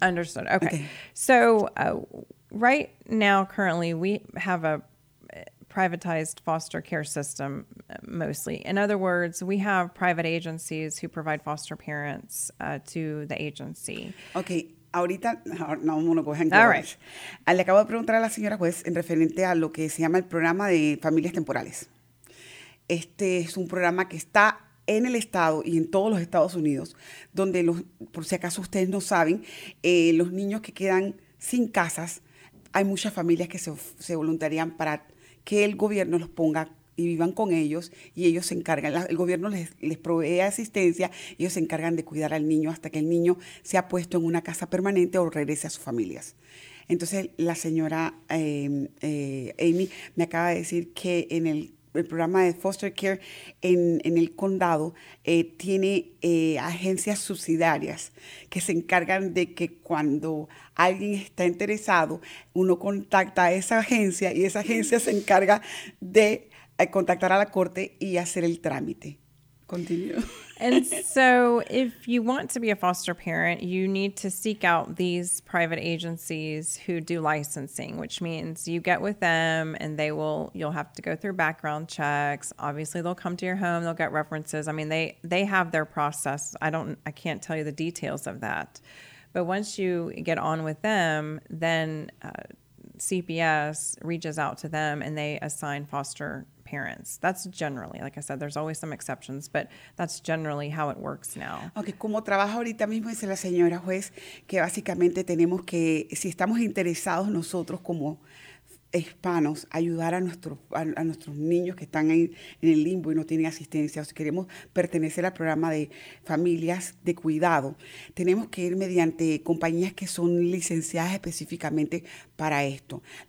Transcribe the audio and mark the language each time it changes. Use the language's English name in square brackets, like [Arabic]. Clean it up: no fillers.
[English] Understood. Okay. So right now, currently, we have a privatized foster care system, mostly. In other words, we have private agencies who provide foster parents to the agency. Okay, [Spanish] ahorita, no, [English] I'm going to go ahead and go. All right. [Spanish] Le acabo de preguntar a la señora juez en referente a lo que se llama el programa de familias temporales. Este es un programa que está en el estado y en todos los Estados Unidos, donde los, por si acaso ustedes no saben, los niños que quedan sin casas, hay muchas familias que se voluntarían para que el gobierno los ponga y vivan con ellos, y ellos se encargan, el gobierno les provee asistencia, ellos se encargan de cuidar al niño hasta que el niño sea puesto en una casa permanente o regrese a sus familias. Entonces, la señora Amy me acaba de decir que en el programa de foster care en el condado tiene agencias subsidiarias que se encargan de que cuando alguien está interesado, uno contacta a esa agencia y esa agencia se encarga de contactar a la corte y hacer el trámite. [English] Continue. And so if you want to be a foster parent, you need to seek out these private agencies who do licensing, which means you get with them and they will, you'll have to go through background checks. Obviously, they'll come to your home. They'll get references. I mean, they have their process. I can't tell you the details of that. But once you get on with them, then CPS reaches out to them and they assign foster parents. That's generally, like I said, there's always some exceptions, but that's generally how it works now. [Spanish] Okay, como trabaja ahorita mismo dice la señora juez, que básicamente tenemos que, si estamos interesados nosotros como hispanos, ayudar a nuestros niños que están en el limbo y no tienen asistencia, o si queremos pertenecer al programa de familias de cuidado, tenemos que ir mediante compañías que son licenciadas específicamente para esto.